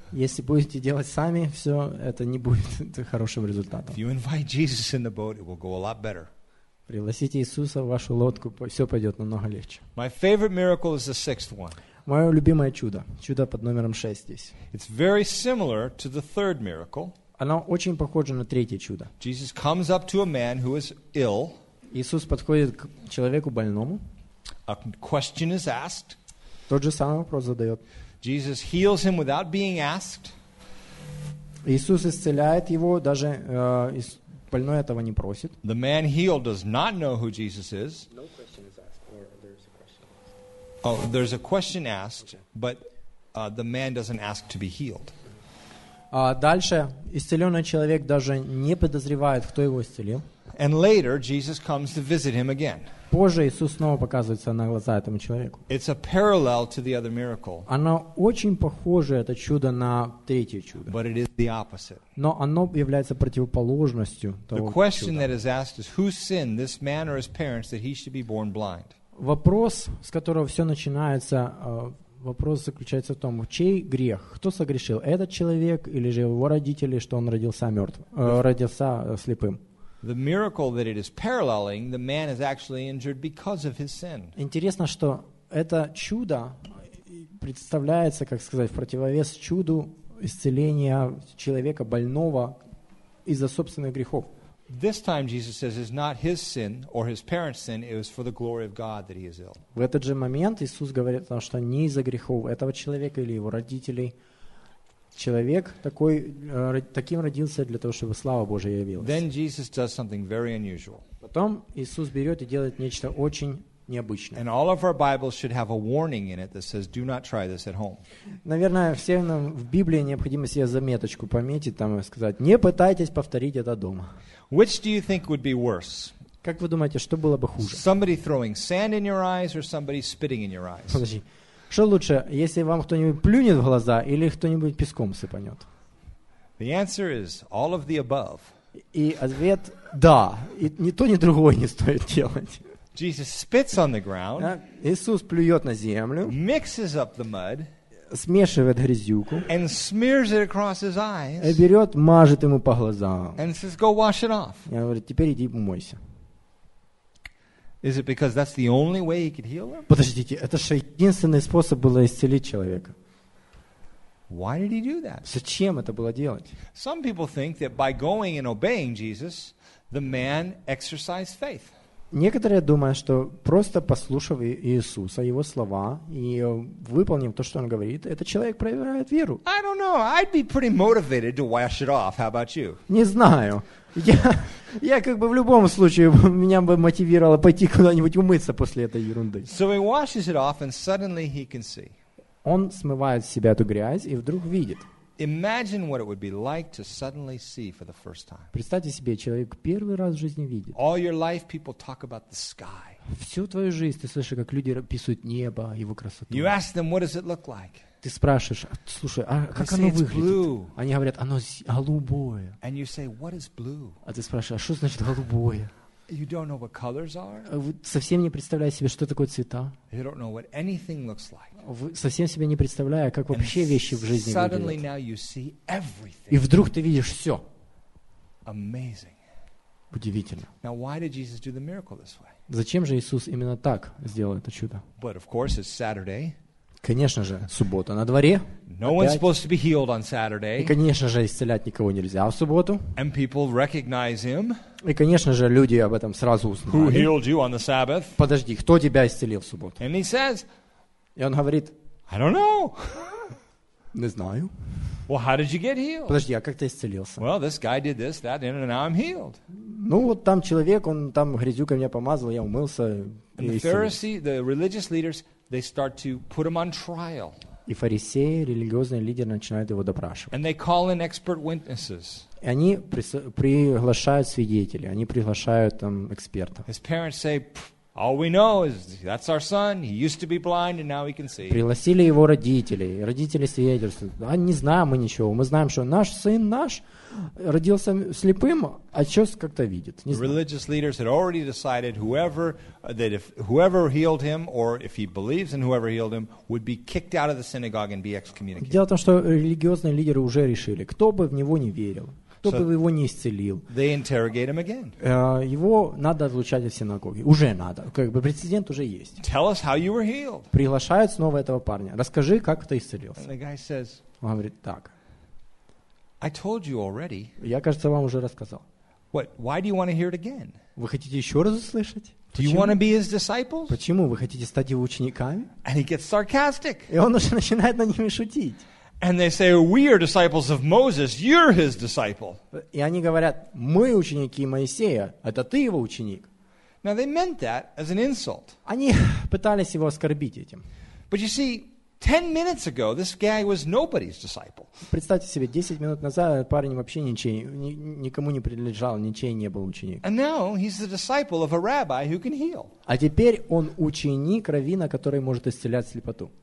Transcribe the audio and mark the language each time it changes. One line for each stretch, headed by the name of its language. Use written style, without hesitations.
Russian: Если будете делать сами, все, это не будет хорошим результатом.
English: If you invite Jesus in the boat, it will go a lot better.
Russian: Пригласите Иисуса в вашу лодку, все пойдет намного легче.
English: My favorite miracle is the sixth one.
Russian: Мое любимое чудо, чудо под номером 6 здесь.
English: It's very similar to the third miracle.
Russian: Оно очень похоже на третье чудо.
English: Jesus comes up to a man who is ill.
Russian: Иисус подходит к человеку больному.
English: A question is asked.
Russian: Тот же самый вопрос задает.
English: Jesus heals him without being asked.
Russian: Иисус исцеляет его, даже больной этого не просит.
English: The man healed does not know who Jesus is. No question is asked, or there's a question asked. Oh, there's a question asked, okay. But the man doesn't ask to be healed.
Russian: Дальше исцеленный человек даже не подозревает, кто его исцелил.
English: And later Jesus comes to visit him again.
Russian: Позже Иисус снова показывается на глаза этому человеку.
English: It's a parallel to the other miracle.
Russian: Оно очень похоже, это чудо, на третье чудо.
English: But it is the opposite.
Russian: Но оно является противоположностью того чуда.
English: The question that is asked is, who sinned, this man or his parents, that he should be born blind?
Russian: Вопрос, с которого все начинается, вопрос заключается в том, чей грех, кто согрешил, этот человек или же его родители, что он родился мертв, родился слепым?
English: The miracle that it is paralleling, the man is actually injured because of his sin.
Russian: Интересно, что это чудо представляется, как сказать, в противовес чуду исцеления человека больного из-за собственных грехов.
English: This time Jesus says it's not his sin or his parents' sin, it was for the glory of God that he is ill.
Russian: В этот же момент Иисус говорит о том, что не из-за грехов этого человека или его родителей. Человек такой, таким родился для того, чтобы слава Божия явилась.
English: Then Jesus does something very unusual.
Russian: Потом Иисус берет и делает нечто очень необычное.
English: And all of our Bibles should have a warning in it that says, "Do not try this at home."
Russian: Наверное, всем нам в Библии необходимо себе заметочку пометить там и сказать: не пытайтесь повторить это дома.
English: Which do you think would be worse?
Russian: Как вы думаете, что было бы хуже?
English: Somebody throwing sand in your eyes or somebody spitting in your eyes?
Russian: Подожди. Что лучше, если вам кто-нибудь плюнет в глаза или кто-нибудь песком сыпанет?
English: The answer is all of the above.
Russian: И ответ – да. И ни то, ни другое не стоит делать.
English: Jesus spits on the ground,
Russian: Иисус плюет на землю,
English: mixes up the mud,
Russian: смешивает грязюку
English: and smears it across his eyes,
Russian: и берет, мажет ему по глазам.
English: And says, go wash it off.
Russian: И говорит, теперь иди помойся.
English: Is it because that's the only way he could heal him?
Russian: Подождите, это же единственный способ было исцелить человека.
English: Why did he do that?
Russian: Зачем это было делать?
English: Some people think that by going and obeying Jesus, the man exercised faith.
Russian: Некоторые думают, что просто послушав Иисуса, его слова, и выполнив то, что он говорит, этот человек проявляет веру.
English: I don't know. I'd be pretty motivated to wash it off. How about you?
Russian: Не знаю. Я как бы в любом случае меня бы мотивировало пойти куда-нибудь умыться после этой ерунды.
English: So he washes it off, and suddenly he can see.
Russian: Он смывает с себя эту грязь и вдруг видит.
English: Imagine what it would be like to suddenly see for the first time.
Russian: Представьте себе, человек первый раз в жизни видит.
English: All your life people talk about the sky.
Russian: Всю твою жизнь ты слышишь, как люди описывают небо, его красоту.
English: You ask them, what does it look like?
Russian: Ты спрашиваешь, слушай, а как оно выглядит? Они говорят, оно голубое.
English: And you say, what is blue?
Russian: А ты спрашиваешь, а что значит голубое?
English: You don't know what colors are.
Russian: Вы совсем не представляете себе, что такое цвета.
English: You don't know what anything looks like.
Russian: Вы совсем себе не представляете, как вообще
English: and
Russian: вещи в жизни
English: suddenly
Russian: выглядят.
English: Now you see everything.
Russian: И вдруг ты видишь все.
English: Amazing.
Russian: Удивительно.
English: Now why did Jesus do the miracle this way?
Russian: Зачем же Иисус именно так сделал это чудо?
English: But of course it's Saturday.
Russian: Конечно же, суббота на дворе.
English: No one's supposed to be healed on Saturday.
Russian: И, конечно же, исцелять никого нельзя в субботу.
English: And people recognize him.
Russian: И, конечно же, люди об этом сразу узнали.
English: Who healed you on the Sabbath?
Russian: Подожди, кто тебя исцелил в субботу?
English: And he says,
Russian: и он говорит,
English: I don't know.
Russian: Не знаю.
English: Well, how did you get healed?
Russian: Подожди, а как ты исцелился?
English: Well, this guy did this, that, and now I'm healed.
Russian: Ну, вот там человек, он там грязюка меня помазал, я умылся.
English: And the Pharisees, the religious leaders, they start to put him on trial.
Russian: И фарисеи, религиозные лидеры, начинают его допрашивать.
English: And they call in expert witnesses.
Russian: И они приглашают свидетелей, они приглашают там экспертов.
English: His parents say, All we know is that's our son. He used to be blind and now he can see.
Russian: Пригласили его родители. Родители свидетельствуют. А не знаем мы ничего. Мы знаем, что наш сын наш родился слепым, а сейчас как-то видит.
English: The religious leaders had already decided whoever that if whoever healed him or if he believes in whoever healed him would be kicked out of the synagogue and be excommunicated.
Russian: Дело в том, что религиозные лидеры уже решили, кто бы в него не верил.
English: So they interrogate him again.
Russian: Его надо отлучать из синагоги. Уже надо. Как бы прецедент уже есть.
English: Tell us how you were healed.
Russian: Приглашают снова этого парня. Расскажи, как ты исцелился.
English: And the guy says,
Russian: он говорит, так.
English: I told you already.
Russian: Я, кажется, вам уже рассказал.
English: What? Why do you want to hear it again?
Russian: Вы хотите еще раз услышать?
English: Do you want to be his disciples?
Russian: Почему? Вы хотите стать его учениками?
English: And he gets sarcastic.
Russian: И он уже начинает над ними шутить.
English: And they say, "We are disciples of Moses. You're his disciple."
Russian: И они говорят, мы ученики Моисея. Это ты его ученик.
English: Now they meant that as an insult.
Russian: Они пытались его оскорбить этим.
English: But you see, 10 minutes ago, this guy was nobody's disciple.
Russian: Представьте себе, 10 минут назад парень вообще ничей, никому не принадлежал, ничей не был ученик.
English: And now he's the disciple of a rabbi who can heal.
Russian: А теперь он ученик раввина, который может исцелять слепоту.